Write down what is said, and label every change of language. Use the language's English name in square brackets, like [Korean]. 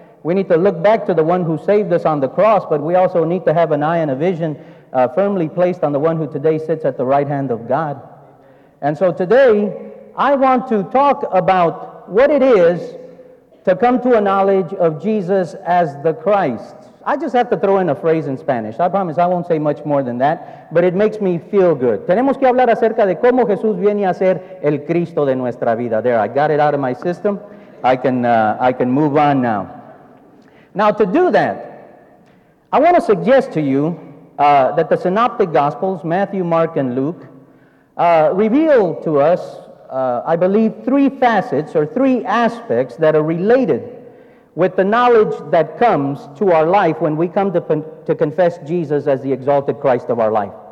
[English] We need to look back to the one who saved us on the cross, but we also need to have an eye and a vision firmly placed on the one who today sits at the right hand of God. And so today, I want to talk about what it is to come to a knowledge of Jesus as the Christ. I just have to throw in a phrase in Spanish. I promise I won't say much more than that, but it makes me feel good. [Spanish] Tenemos que hablar acerca de cómo Jesús viene a ser el Cristo de nuestra vida. [English] There, I got it out of my system. I can move on now. Now, to do that, I want to suggest to you that the Synoptic Gospels, Matthew, Mark, and Luke, reveal to us, I believe, three facets or three aspects that are related with the knowledge that comes to our life when we come to confess Jesus as the exalted Christ of our life.